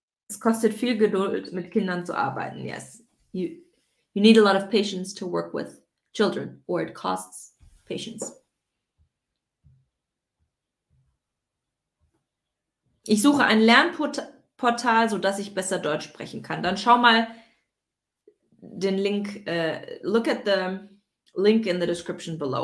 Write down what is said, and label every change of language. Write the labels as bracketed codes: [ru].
[de] Es kostet viel Geduld, mit Kindern zu arbeiten. [en] Yes. You need a lot of patience to work with children. Or it costs patience. [de] Ich suche ein Lernportal, sodass ich besser Deutsch sprechen kann. Dann schau mal den Link. [en] Look at the link in the description below.